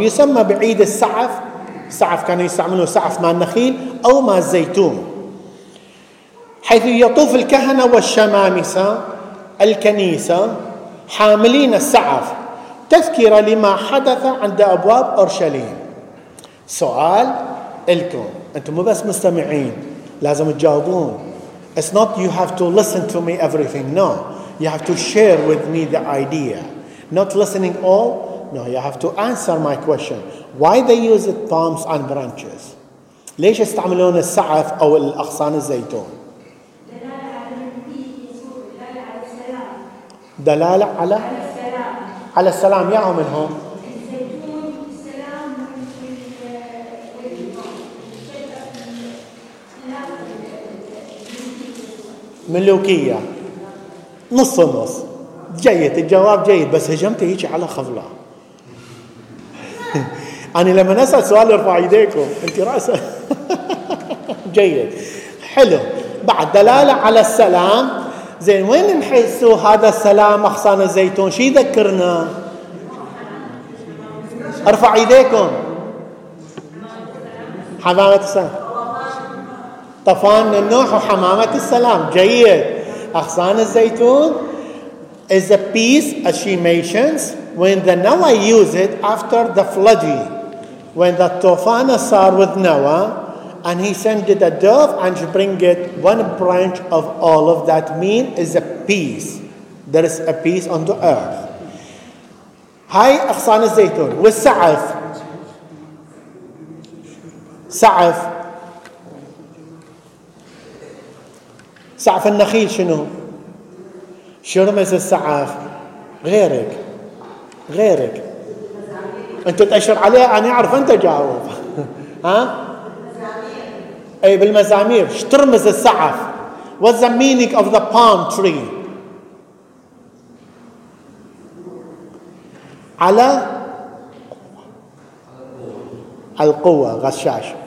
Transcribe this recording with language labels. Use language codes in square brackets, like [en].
[ar] يسمى بعيد السعف. السعف كانوا يستعملوا سعف مال النخيل أو مال الزيتون، حيث يطوف الكهنة والشمامسة الكنيسة حاملين السعف تذكرة لما حدث عند أبواب أورشليم. سؤال لكم، أنتم مو بس مستمعين لازم تجاوبون. [en] It's not you have to listen to me everything. No. You have to share with me the idea. Not listening all. No, you have to answer my question. Why they use it palms and branches? [ar] ليش يستعملون السعف أو الأغصان الزيتون؟ دلالة على المسيح يسوع، دلالة على السلام. دلالة على؟ على السلام. على السلام. ياهو منهم. ملوكية. نص ونص. جيد الجواب جيد بس هجمتي هيك على خفلة. أنا لما نسأل سؤال ارفع ايديكم انت رأسا. جيد حلو. بعد دلالة على السلام. زين وين نحسوا هذا السلام؟ أغصان الزيتون شي ذكرنا؟ ارفع ايديكم. حمامة السلام، طفان النوح وحمامة السلام. جيد. أغصان الزيتون [en] is a piece as she mentions when the Noah used it after the flooding, when the Tofana saw with Noah and he sent it a dove and she bring it one branch of olive. That mean is a peace. There is a peace on the earth. [ar] هاي أغصان الزيتون والسعف. سعف سعف النخيل شنو؟ شو رمز السعف؟ غيرك غيرك انت تأشر عليه. انا اعرف انت جاوب. ها؟ بالمزامير. اي بالمزامير. شو ترمز السعف؟ [en] What's the meaning of the palm tree؟ [ar] على القوة. غشاش.